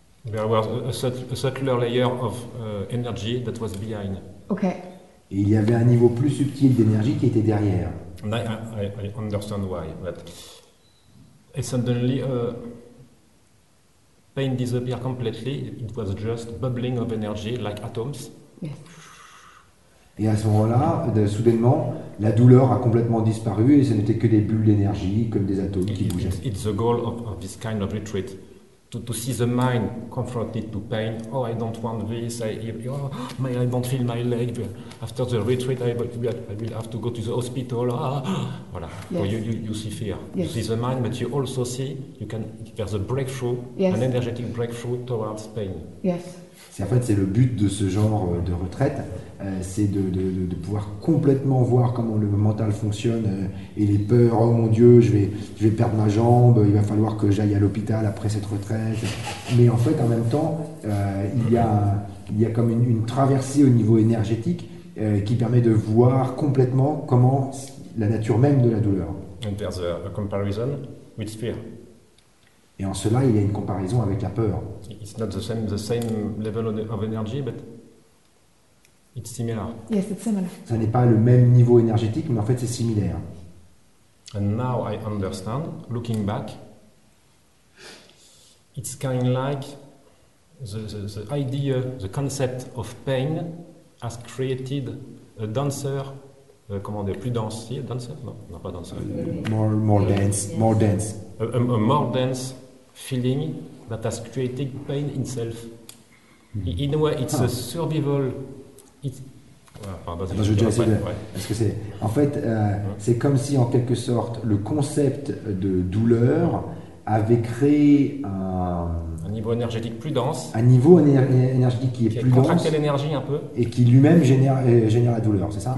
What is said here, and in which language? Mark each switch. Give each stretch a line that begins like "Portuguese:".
English: There was a subtler layer of energy that was behind. Okay.
French: Et il y avait un niveau plus subtil d'énergie qui était derrière.
English: And I understand why, but it suddenly pain disappeared completely. It was just bubbling of energy like atoms. Yes.
French: Et à ce moment-là, soudainement, la douleur a complètement disparu et ce n'était que des bulles d'énergie comme des atomes qui bougeaient.
English: It's the goal of this kind of retreat. To see the mind confronted to pain. Oh, I don't want this. I don't feel my leg. After the retreat, I will have to go to the hospital.
French: Ah, voilà.
English: Yes. So you see fear. Yes. You see the mind, but you also see you can. There's a breakthrough, yes. An energetic breakthrough towards pain. Yes.
French: C'est en fait c'est le but de ce genre de retraite, c'est de pouvoir complètement voir comment le mental fonctionne et les peurs. Oh mon Dieu, je vais perdre ma jambe, il va falloir que j'aille à l'hôpital après cette retraite. Mais en fait, en même temps, il y a comme une traversée au niveau énergétique qui permet de voir complètement comment la nature même de la douleur.
English: And there's a comparison with fear.
French: Et en cela, il y a une comparaison avec la peur.
English: It's not the same level of energy, but it's similar. Yes, it's similar.
French: Ça n'est pas le même niveau énergétique, mais en fait, c'est similaire.
English: And now I understand, looking back, it's kind of like the idea, the concept of pain has created a dancer.
French: Comment dire, plus dancier, dancer? Non, pas dancer.
English: More dance. A more dance. Feeling that has created pain itself. In a way, it's a survival. It's
French: Parce que c'est, en fait, c'est comme si, en quelque sorte, le concept de douleur avait créé un niveau énergétique plus dense. Un niveau énergétique qui est plus dense. Qui a contracté l'énergie un peu. Et qui lui-même génère la douleur, c'est ça ?